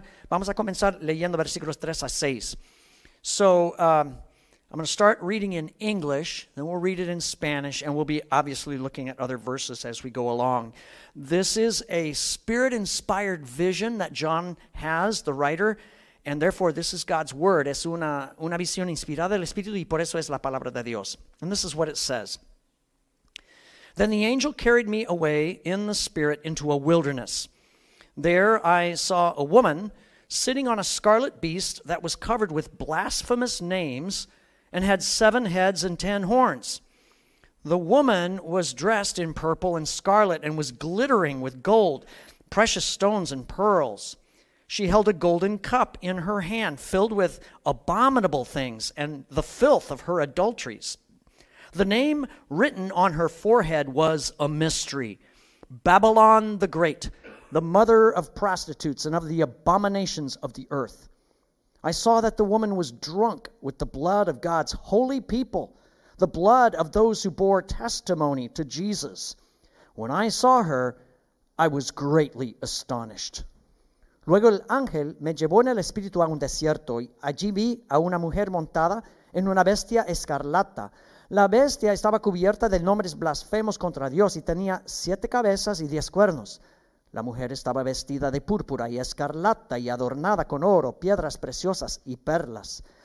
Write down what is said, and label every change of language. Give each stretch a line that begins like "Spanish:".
Spanish: Vamos a comenzar leyendo versículos 3 a 6.
English: So, I'm going to start reading in English, then we'll read it in Spanish, and we'll be obviously looking at other verses as we go along. This is a Spirit-inspired vision that John has, the writer, and therefore this is God's word.
Spanish: Es una visión inspirada del Espíritu, y por eso es la palabra de Dios.
English: And this is what it says. Then the angel carried me away in the Spirit into a wilderness. There I saw a woman sitting on a scarlet beast that was covered with blasphemous names, and had 7 heads and 10 horns. The woman was dressed in purple and scarlet and was glittering with gold, precious stones and pearls. She held a golden cup in her hand filled with abominable things and the filth of her adulteries. The name written on her forehead was a mystery: Babylon the Great, the mother of prostitutes and of the abominations of the earth. I saw that the woman was drunk with the blood of God's holy people, the blood of those who bore testimony to Jesus. When I saw her, I was greatly astonished.
Spanish: Luego el ángel me llevó en el espíritu a un desierto, y allí vi a una mujer montada en una bestia escarlata. La bestia estaba cubierta de nombres blasfemos contra Dios y tenía 7 cabezas y 10 cuernos. La mujer estaba vestida de púrpura y escarlata y adornada con oro, piedras preciosas y perlas.